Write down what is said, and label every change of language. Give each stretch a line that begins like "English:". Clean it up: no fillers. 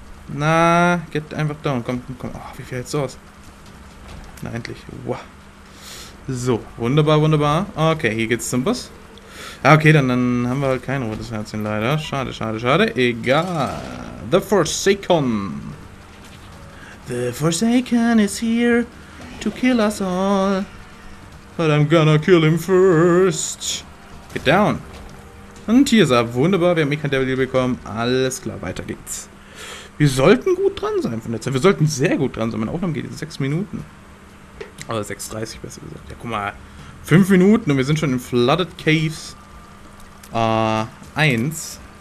German: Na, get einfach down. Komm. Oh, wie viel hältst du aus? Na, endlich. Wow. So, wunderbar. Okay, hier geht's zum Boss. Ah, okay, dann haben wir halt kein rotes Herzchen leider. Schade. Egal. The Forsaken.
English: The Forsaken is here to kill us all. But I'm gonna kill him first. Get down.
German: Und hier ist er. Wunderbar, wir haben Mechandevil bekommen. Alles klar, weiter geht's. Wir sollten gut dran sein von der Zeit. Wir sollten sehr gut dran sein. Meine Aufnahme geht in 6 Minuten. Oder 6:30 besser gesagt. Ja, guck mal. 5 Minuten und wir sind schon in Flooded Caves. 1.